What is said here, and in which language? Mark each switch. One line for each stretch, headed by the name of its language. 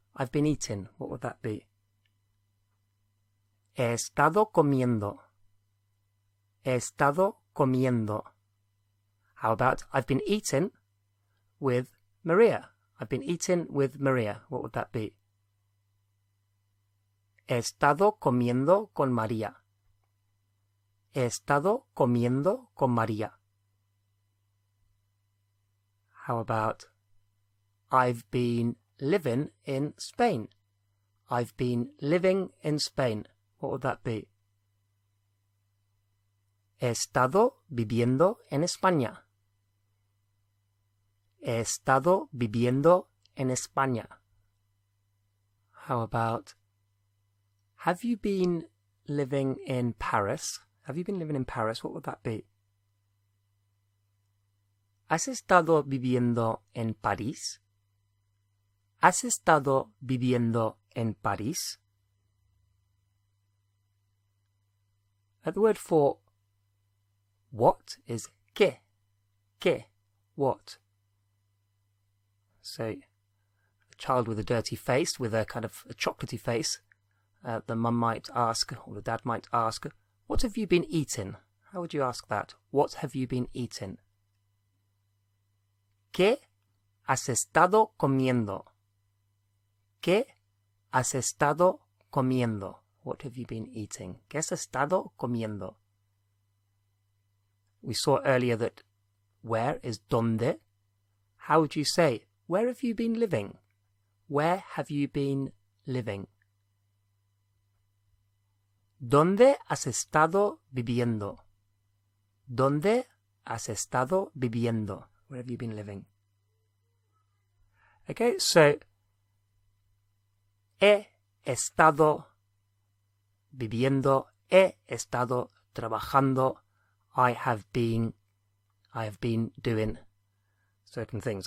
English: I've been eating. What would that be?
Spanish: He estado comiendo. He estado comiendo.
English: How about, I've been eating with Maria? I've been eating with Maria. What would that be?
Spanish: He estado comiendo con María. He estado comiendo con María.
English: How about, I've been living in Spain. I've been living in Spain. What would that be?
Spanish: He estado viviendo en España. He estado viviendo en España.
English: How about, have you been living in Paris? Have you been living in Paris? What would that be?
Spanish: ¿Has estado viviendo en París? ¿Has estado viviendo en París?
English: The word for what is qué. Qué. What. So, a child with a dirty face, with a kind of a chocolatey face, the mum might ask, or the dad might ask, what have you been eating? How would you ask that? What have you been eating?
Spanish: ¿Qué has estado comiendo? ¿Qué has estado comiendo?
English: What have you been eating?
Spanish: ¿Qué has estado comiendo?
English: We saw earlier that where is donde. How would you say, where have you been living? Where have you been living?
Spanish: ¿Dónde has estado viviendo? ¿Dónde has estado viviendo?
English: Where have you been living? Okay, so,
Spanish: he estado viviendo, he estado trabajando,
English: I have been doing certain things.